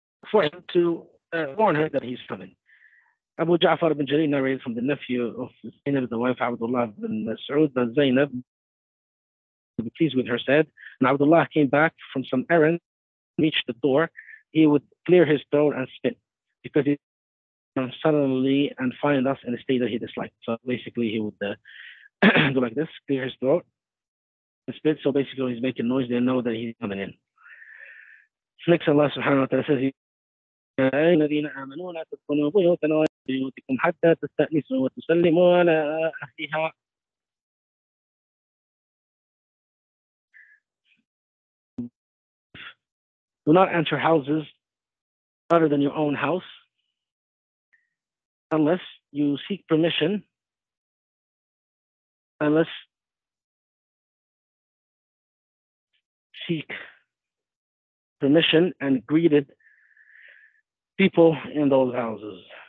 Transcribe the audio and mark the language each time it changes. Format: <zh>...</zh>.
<en>for him to warn her that he's coming. Abu Ja'far ibn Jarir narrated from the nephew of Zainab, the wife of Abdullah ibn Mas'ud, that Zainab, to be pleased with her, said, and Abdullah came back from some errand, reached the door, he would clear his throat and spit, because he suddenly and find us in a state that he disliked. So basically he would go like this, clear his throat, and spit. So basically he's making noise, they know that he's coming in. Next, Allah subhanahu wa ta'ala says,</en> <ar>الذين آمنوا لا تدخلوا بيوتنا بيوتكم حتى تستأنسوا وتسلموا على أهلها.</ar> <en>Do not enter houses other than your own house unless you seek permission, unless seek permission and greeted people in those houses.</en>